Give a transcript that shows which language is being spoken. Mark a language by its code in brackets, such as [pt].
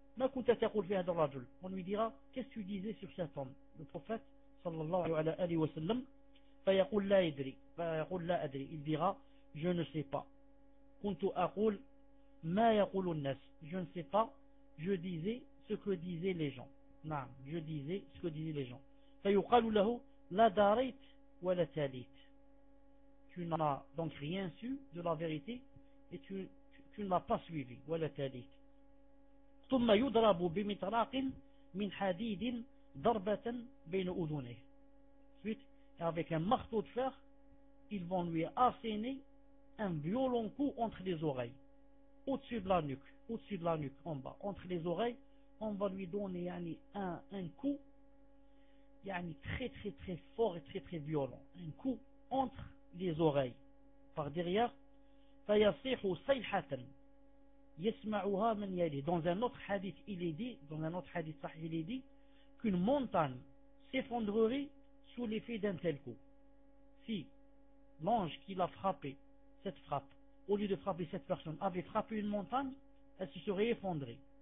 [ar] ما كنت تقول في هذا الرجل؟ [fr] On lui dira, qu'est-ce que tu disais sur cet homme? Le prophète, [ar] sallallahu alayhi wa sallam, فيقول لا يدري, فيقول لا أدري. [fr] Il dira, je ne sais pas. [ar] كنت أقول ما يقول الناس. [fr] Je ne sais pas. Je disais ce que disaient les gens. نعم, je disais ce que disaient les gens. [ar] فيقال له لا داريت ولا تاليت. [fr] Tu n'as donc rien su de la vérité et tu ne l'as pas suivi. [ar] ولا تاليت. ثم يضرب بمطراق من حديد ضربة بين أذنيه. [fr] Ensuite, avec un marteau de fer, ils vont lui asséner un violent coup entre les oreilles, au-dessus de la nuque, au-dessus de la nuque, en bas, entre les oreilles, on va lui donner يعني, un coup يعني, très très très fort et très très violent, un coup entre les oreilles, par derrière. [ar] فيصيح صيحة يسمعها من يلي. [fr] Dans un autre hadith il est dit, dans un autre hadith صحيح, il est dit qu'une montagne s'effondrerait sous l'effet d'un tel coup. Si l'ange qui l'a frappé, cette frappe, au lieu de frapper cette personne, avait frappé une montagne, elle se serait effondrée.